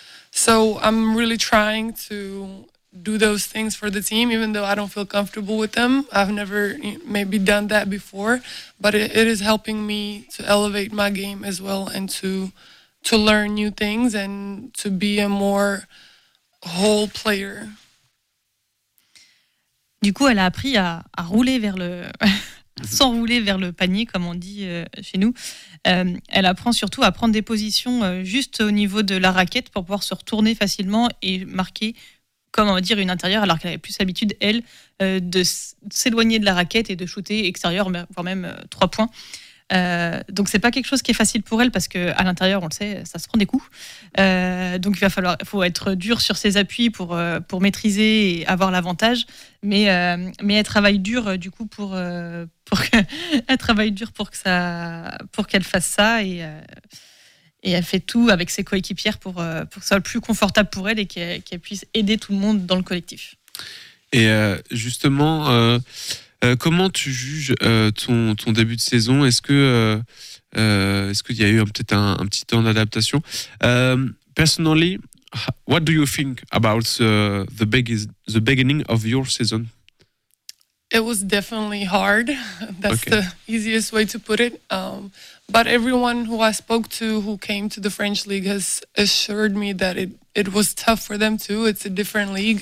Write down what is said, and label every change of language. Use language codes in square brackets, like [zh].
[en] So I'm really trying to do those things for the team, even though I don't feel comfortable with them. I've never maybe done that before, but it is helping me to elevate my game as well and to learn new things and to be a more whole player. [fr] Du coup, elle a appris à rouler vers le s'enrouler vers le panier, comme on dit chez nous. Elle apprend surtout à prendre des positions juste au niveau de la raquette pour pouvoir se retourner facilement et marquer, comme on va dire, une intérieure, alors qu'elle avait plus l'habitude, elle, de s'éloigner de la raquette et de shooter extérieur, voire même trois points. Donc, ce n'est pas quelque chose qui est facile pour elle parce qu'à l'intérieur, on le sait, ça se prend des coups. Donc, il faut être dur sur ses appuis pour maîtriser et avoir l'avantage. Mais elle travaille dur, du coup, pour qu'elle fasse ça. Et elle fait tout avec ses coéquipières pour que ça soit le plus confortable pour elle et qu'elle puisse aider tout le monde dans le collectif. Et justement... comment tu juges ton début de saison? Est-ce qu'il y a eu peut-être un petit temps d'adaptation? [en] Personally, what do you think about the beginning of your season? It was definitely hard. That's okay. The easiest way to put it. But everyone who I spoke to who came to the French league has assured me that it was tough for them too. It's a different league.